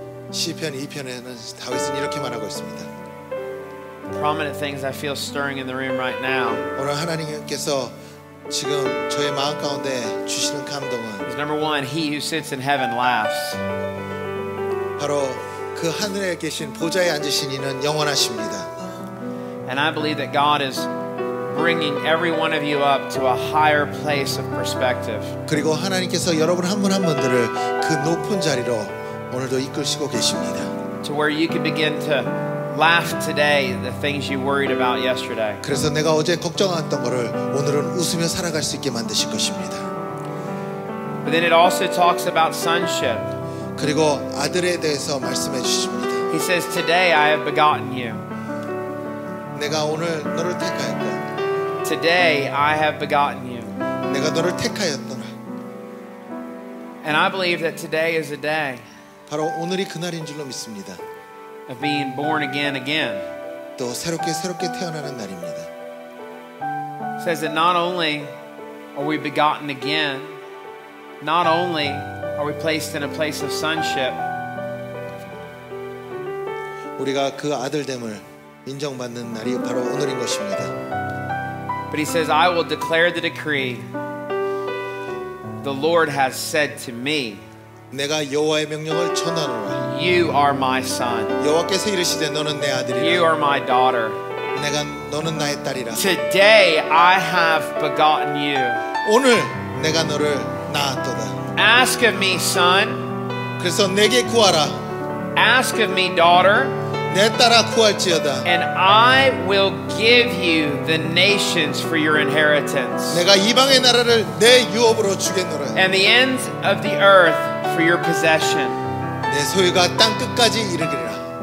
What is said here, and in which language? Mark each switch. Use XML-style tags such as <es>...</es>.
<ko>시편 2편에는 다윗은 이렇게 말하고 있습니다.</ko> <en>Prominent things I feel stirring in the room right now.</en> <ko>오늘 하나님께서 지금 저의 마음 가운데 주시는 감동은</ko> <en>is number one, he who sits in heaven laughs.</en> <ko>바로 그 하늘에 계신 보좌에 앉으신 이는 영원하십니다.</ko> <en>And I believe that God is bringing every one of you up to a higher place of perspective.</en> <ko>그리고 하나님께서 여러분 한 분 한 분들을 그 높은 자리로 오늘도 이끌시고 계십니다.</ko> <en>To where you can begin to laugh today the things you worried about yesterday.</en> <ko>그래서 내가 어제 걱정했던 거를 오늘은 웃으며 살아갈 수 있게 만드실 것입니다.</ko> <en>But then it also talks about sonship.</en> <ko>그리고 아들에 대해서 말씀해 주십니다.</ko> <en>He says, "Today I have begotten you."</en> <ko>내가 오늘 너를 택하였고</ko> <en>today I have begotten you.</en> <ko>내가 너를 택하였더라.</ko> <en>And I believe that today is a day.</en> <ko>바로 오늘이 그날인 줄로 믿습니다.</ko> <en>Of being born again, again.</en> <ko>또 새롭게 태어나는 날입니다.</ko> <en>Says that not only are we begotten again, not only are we placed in a place of sonship.</en> <ko>우리가 그 아들됨을 인정받는 날이 바로 오늘인 것입니다.</ko> <en>But he says, I will declare the decree. The Lord has said to me.</en> <ko>내가 여호와의 명령을 전하노라.</ko> <en>You are my son.</en> <ko>여호와께서 이르시되 너는 내 아들이라.</ko> <en>You are my daughter.</en> <ko>내가 너는 나의 딸이라.</ko> <en>Today I have begotten you.</en> <ko>오늘 내가 너를 낳았도다.</ko> <en>Ask of me, son.</en> <ko>그래서 내게 구하라.</ko> <en>Ask of me, daughter.</en> <ko>내 딸아 구할지어다.</ko> <en>And I will give you the nations for your inheritance.</en> <ko>내가 이방의 나라를 내 유업으로 주겠노라.</ko> <en>And the ends of the earth for your possession.</en> <ko>내 소유가 땅 끝까지 이르리라.</ko>